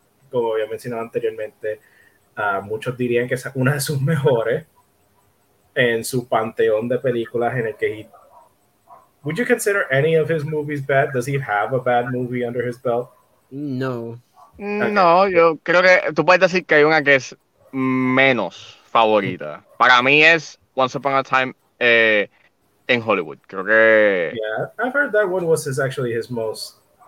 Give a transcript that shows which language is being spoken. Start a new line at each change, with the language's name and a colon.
Spanish: Como había mencionado anteriormente, muchos dirían que es una de sus mejores en su panteón de películas en el que...
English: Would you consider any of his movies bad? Does he have a bad movie under his belt? No. Okay.
Spanish: No, yo creo que tú puedes decir que hay una que es menos favorita. Para mí es Once Upon a Time in Hollywood. Creo que...
English: Yeah, I've heard that one was actually his most...